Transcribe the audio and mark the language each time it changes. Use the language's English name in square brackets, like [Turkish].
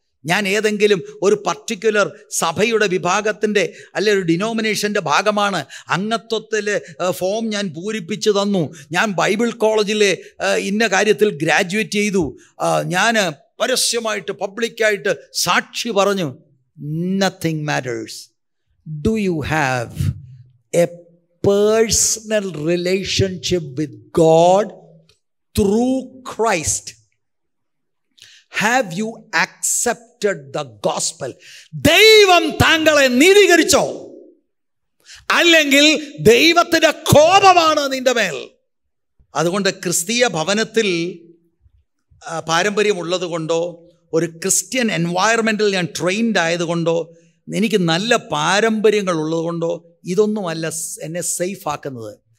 [Malayalam] ഞാൻ ഏതെങ്കിലും ഒരു പർട്ടിക്കുലർ സഭയുടെ വിഭാഗത്തിൻ്റെ അല്ലെ ഒരു ഡിനോമിനേഷൻ്റെ ഭാഗമാണ്, അംഗത്വത്തിൽ ഫോം ഞാൻ പൂരിപ്പിച്ച് തന്നു, ഞാൻ ബൈബിൾ കോളേജിലെ ഇന്ന കാര്യത്തിൽ ഗ്രാജുവേറ്റ് ചെയ്തു, ഞാൻ പരസ്യമായിട്ട് പബ്ലിക്കായിട്ട് സാക്ഷി പറഞ്ഞു. [English] Nothing matters. Do you have a personal relationship with God through Christ? Have you accepted the gospel? [Malayalam] ദൈവം താങ്കളെ നീതീകരിച്ചോ? അല്ലെങ്കിൽ ദൈവത്തിന്റെ കോപമാണ് നിന്റെ മേൽ? അതുകൊണ്ട് ക്രിസ്തീയ ഭവനത്തിൽ പാരമ്പര്യമുള്ളത് കൊണ്ടോ, ഒരു ക്രിസ്ത്യൻ എൻവയറമെൻറ്റിൽ ഞാൻ ട്രെയിൻഡ് ആയതുകൊണ്ടോ, എനിക്ക് നല്ല പാരമ്പര്യങ്ങൾ ഉള്ളത് കൊണ്ടോ ഇതൊന്നുമല്ല എന്നെ സേഫ് ആക്കുന്നത്.